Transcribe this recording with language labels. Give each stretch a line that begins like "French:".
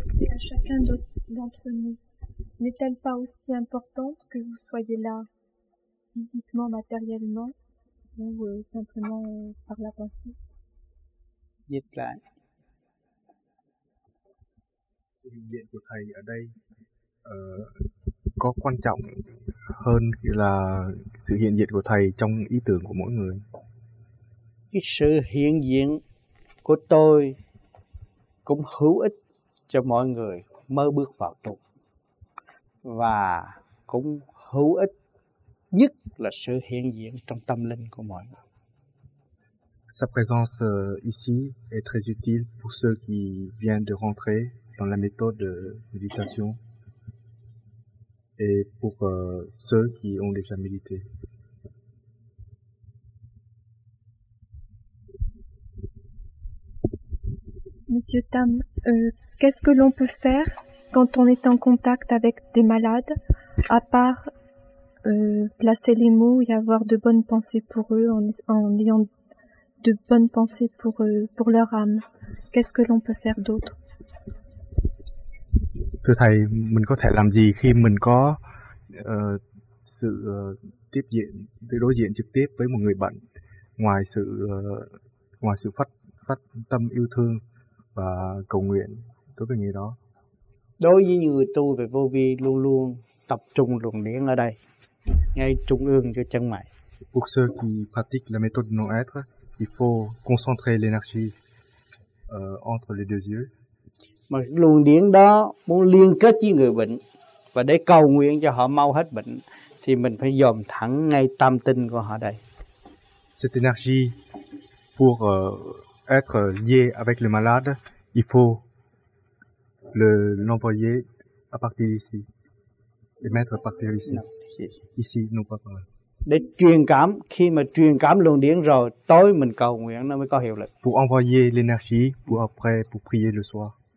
French: À chacun d'entre nous n'est-elle pas aussi importante que vous soyez là physiquement, matériellement ou simplement par la pensée?
Vietnamese: Dịch lại. Sự hiện diện của thầy ở đây có quan trọng hơn là sự hiện diện của thầy trong ý tưởng của mỗi người? Cái sự hiện diện của tôi cũng hữu ích cho mọi người mơ bước vào tu, và cũng hữu ích nhất là sự hiện diện trong tâm linh của mọi người.
French: Sa présence ici est très utile pour ceux qui viennent de rentrer dans la méthode de méditation et pour ceux qui ont déjà médité. Monsieur Tam, Qu'est-ce que l'on peut faire quand on est en contact avec des malades, à part placer les mots et avoir de bonnes pensées pour eux, en ayant de bonnes pensées pour eux, pour leur âme? Qu'est-ce que l'on peut faire d'autre?
Vietnamese: Thưa thầy, mình có thể làm gì khi mình có sự tiếp diện, đối diện trực tiếp với một người bệnh, ngoài sự phát tâm yêu thương và cầu nguyện đối với người đó? Đối với những người tu về vô vi luôn luôn tập trung luận điển ở đây, ngay trung ương cho chân mày.
French: Pour ceux qui pratiquent la méthode non-être, il faut concentrer l'énergie entre les deux yeux.
Vietnamese: Mà luồng điển đó muốn liên kết với người bệnh và để cầu nguyện cho họ mau hết bệnh thì mình phải dồn thẳng ngay tâm tin của họ đây.
French: Cette énergie pour être lié avec le malade, il faut l'envoyer à partir d'ici. Et mettre à partir d'ici. Non. Ici, non pas là.
Vietnamese: Để truyền cảm, khi mà truyền cảm luồng điển rồi, tối mình cầu nguyện nó mới có hiệu lực.
French: Pour envoyer l'énergie pour après pour prier le soir.